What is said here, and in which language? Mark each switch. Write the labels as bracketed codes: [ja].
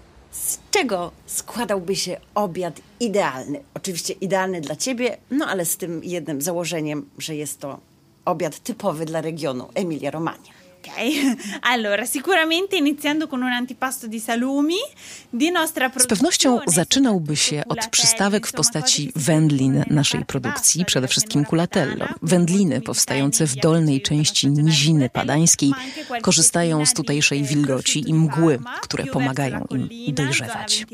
[pl] Z czego składałby się obiad idealny? Oczywiście idealny dla ciebie, no ale z tym jednym założeniem, że jest to obiad typowy dla regionu Emilia-Romagna. Okej. [it] Allora, sicuramente iniziando con un antipasto di salumi di nostra produzione. [pl] Z pewnością zaczynałby się od przystawek w postaci wędlin naszej produkcji, przede wszystkim culatello. Wędliny powstające w dolnej części niziny padańskiej korzystają z tutejszej wilgoci i mgły, które pomagają im dojrzewać.